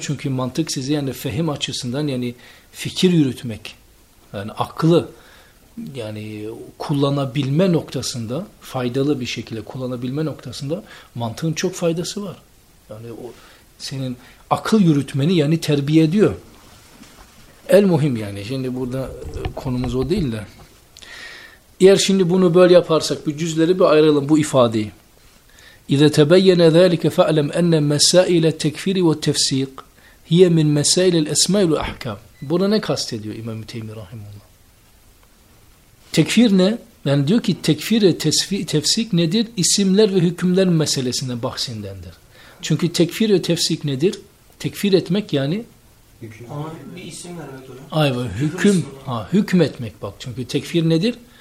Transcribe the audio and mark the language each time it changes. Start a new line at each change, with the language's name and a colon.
Turkish: Çünkü mantık sizi yani fehim açısından yani fikir yürütmek, yani aklı yani kullanabilme noktasında, faydalı bir şekilde kullanabilme noktasında mantığın çok faydası var. Yani o senin akıl yürütmeni yani terbiye ediyor. El muhim yani. Şimdi burada konumuz o değil de. Eğer şimdi bunu böyle yaparsak, bu cüzleri bir ayıralım bu ifadeyi.
Arabic: اِذَا تَبَيَّنَ ذَٰلِكَ فَعْلَمْ اَنَّ مَسَائِلَ التَّكْفِيرِ وَالتَّفْسِيقِ هِيَ مِنْ مَسَائِلَ الْاَسْمَيْلُ الْاَحْكَامِ
Turkish: Burada ne kastediyor İmam-ı Teymi Rahimullah? Tekfir ne? Yani diyor ki tekfir ve tefsik nedir? İsimler ve hükümler meselesinden bahsindendir. Çünkü tekfir ve tefsik nedir? Tekfir etmek yani ama bir isim vermek oluyor. Ay hüküm ha hükmetmek bak çünkü tekfir nedir?